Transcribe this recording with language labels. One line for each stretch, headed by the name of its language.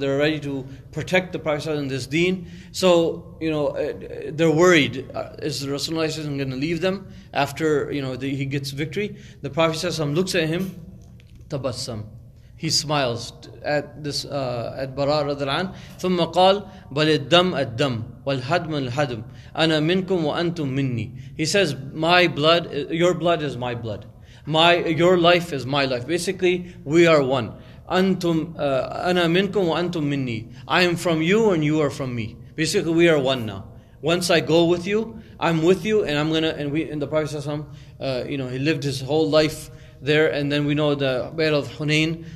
English: They're ready to protect the Prophet ﷺ and this deen. So, you know, they're worried. Is the Rasulullah ﷺ going to leave them after, you know, he gets victory? The Prophet ﷺ looks at him, tabassam. He smiles at this at Bara radhiyallahu anhu.
Arabic: ثم قال بل الدم الدم والهدم الهدم أنا منكم وأنتم مني.
English: He says, "My blood, your blood is my blood. Your life is my life. Basically, we are one.
Arabic: أنتم أنا منكم وأنتم مني.
English: I am from you and you are from me. Basically, we are one now. Once I go with you, I'm with you, and I'm gonna and we in the Prophet ﷺ, you know, he lived his whole life there, and then we know the Battle of Hunain.